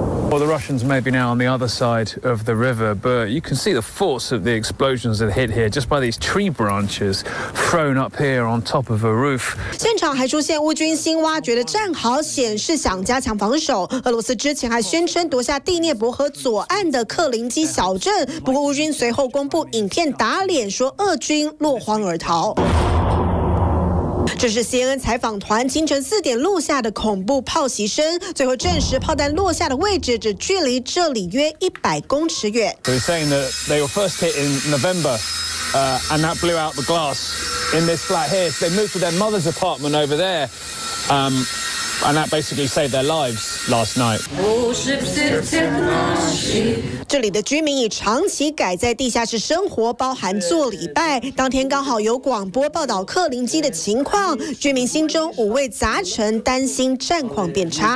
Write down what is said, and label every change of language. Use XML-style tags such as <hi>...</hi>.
<en>Well, the Russians may be now on the other side of the river, but you can see the force of the explosions that hit here just by these tree branches thrown up here on top of a roof.</en> <zh>现场还出现乌军新挖掘的战壕，显示想加强防守。俄罗斯之前还宣称夺下第聂伯河左岸的克林基小镇，不过乌军随后公布影片打脸，说俄军落荒而逃。这是 CNN 采访团清晨4点录下的恐怖炮袭声，最后证实炮弹落下的位置只距离这里约100公尺远。</zh> <en>They're saying that they were first hit in November, and that blew out the glass in this flat here. So they moved to their mother's apartment over there, and that basically saved their lives last night.</en> <zh>这里的居民已长期改在地下室生活，包含做礼拜。当天刚好有广播报道克林基的情况，居民心中五味杂陈，担心战况变</zh>